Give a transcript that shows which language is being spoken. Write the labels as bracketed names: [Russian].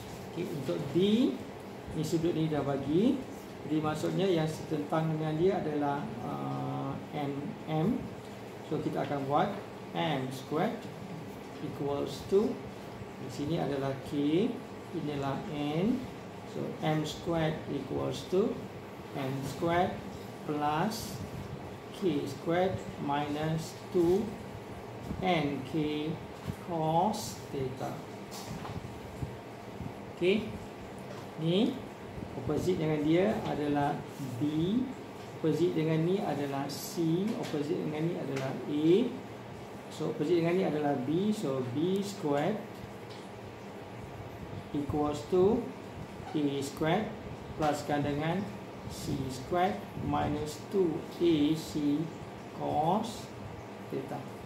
[Malay] Okay, untuk D, ni sudut ni dah bagi. Jadi maksudnya yang setentang dengan dia adalah MM. So kita akan buat M squared equals to, di sini adalah K, inilah N. [English] So M squared equals to M squared plus K squared minus 2NK cos theta. [Malay] Okay, ni opposite dengan dia adalah B, opposite dengan ni adalah C, opposite dengan ni adalah A. So opposite dengan ni adalah B. [English] So B squared equals to A squared pluskan dengan C squared minus 2AC cos theta.